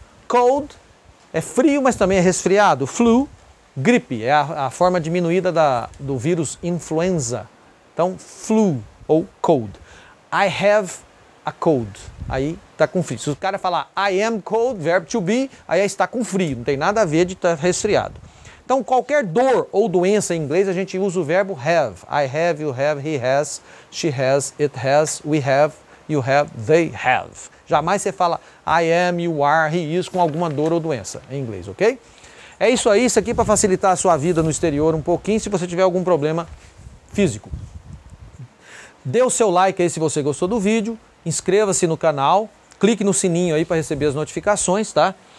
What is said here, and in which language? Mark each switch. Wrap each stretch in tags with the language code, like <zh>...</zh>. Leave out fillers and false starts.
<pt>Cold é frio, mas também é resfriado. Flu, gripe, é a forma diminuída do vírus influenza. Então, flu ou cold. I have a cold. Aí está com frio. Se o cara falar I am cold, verb to be, aí está com frio. Não tem nada a ver de estar resfriado. Então, qualquer dor ou doença em inglês, a gente usa o verbo have.</pt> <en>I have, you have, he has, she has, it has, we have, you have, they have.</en> <pt>Jamais você fala I am, you are, he is com alguma dor ou doença em inglês, ok? É isso aí, isso aqui para facilitar a sua vida no exterior um pouquinho se você tiver algum problema físico. Dê o seu like aí se você gostou do vídeo, inscreva-se no canal, clique no sininho aí para receber as notificações, tá?</pt>